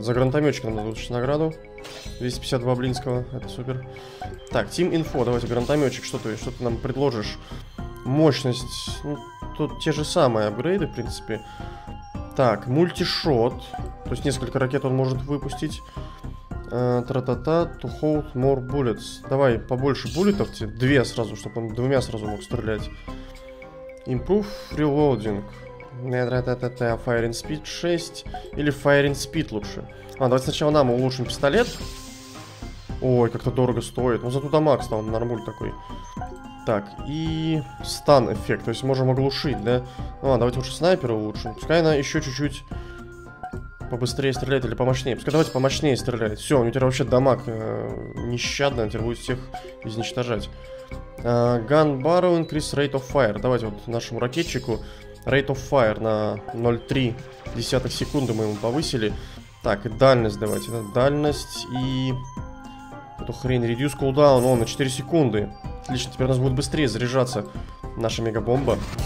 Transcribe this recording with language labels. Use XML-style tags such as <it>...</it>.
<ru>За гранатометчика нам дадут сейчас награду. 250 баблинского, это супер. Так, Team Info, давайте гранатометчик. Что ты нам предложишь? Мощность. Ну, тут те же самые апгрейды, в принципе. Так, мультишот. То есть несколько ракет он может выпустить.</ru> <en>Тра-та-та, to hold more bullets.</en> <ru>Давай побольше буллетов тебе. Две сразу, чтобы он двумя сразу мог стрелять.</ru> <en>Improve reloading. Firing speed 6.</en> <ru>Или firing speed лучше. А, давайте сначала нам улучшим пистолет. Ой, как-то дорого стоит. Но зато дамаг стал нормуль такой. Так, и стан эффект. То есть можем оглушить, да? Ну ладно, давайте лучше снайпера улучшим. Пускай она еще чуть-чуть побыстрее стреляет или помощнее. Пускай давайте помощнее стреляет. Все, у нее теперь вообще дамаг нещадно. Она теперь будет всех изничтожать.</ru> <en>Gun barrel increase rate of fire.</en> <ru>Давайте вот нашему ракетчику rate of fire на 0,3 секунды мы ему повысили. Так, и дальность давайте. Дальность и... Эту хрень.</ru> <en>Reduce cooldown.</en> <ru>О, на 4 секунды. Отлично, теперь у нас будет быстрее заряжаться наша мегабомба.</ru>